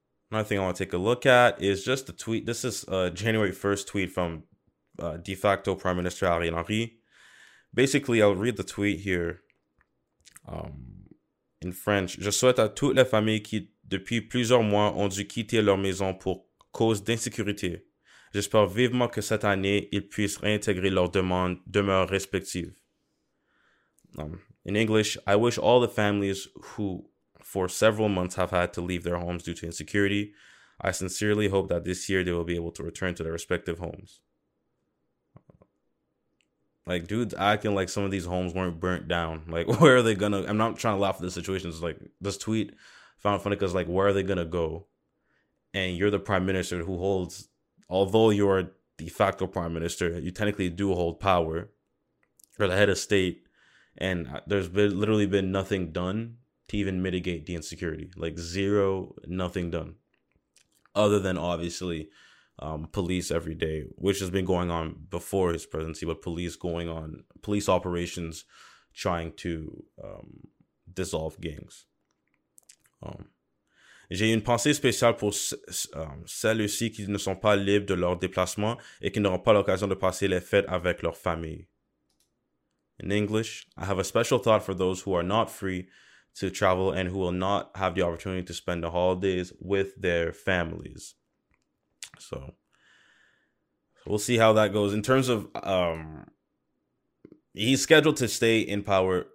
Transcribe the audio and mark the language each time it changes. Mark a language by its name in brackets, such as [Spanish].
[English] Another thing I want to take a look at is just a tweet. This is a January 1st tweet from de facto Prime Minister Ariel Henry. Basically, I'll read the tweet here in French. [French] Je souhaite à toutes les familles qui, depuis plusieurs mois, ont dû quitter leur maison pour cause d'insécurité. J'espère vivement que cette année, ils puissent réintégrer leurs demeures respectives. [English] In English, I wish all the families who, for several months, have had to leave their homes due to insecurity, I sincerely hope that this year they will be able to return to their respective homes. Like, dude's acting like some of these homes weren't burnt down. Like, where are they gonna... I'm not trying to laugh at the situation. It's like, this tweet found funny because, like, where are they gonna go? And you're the prime minister who holds... Although you are de facto prime minister, you technically do hold power. You're the head of state. And there's literally been nothing done to even mitigate the insecurity. Like, zero, nothing done. Other than, obviously... police every day, which has been going on before his presidency, but police operations trying to dissolve gangs. [French] J'ai une pensée spéciale pour celles-ci qui ne sont pas libres de leur déplacement et qui n'auront pas l'occasion de passer les fêtes avec leur famille. [English] In English, I have a special thought for those who are not free to travel and who will not have the opportunity to spend the holidays with their families. So, we'll see how that goes. In terms of, he's scheduled to stay in power.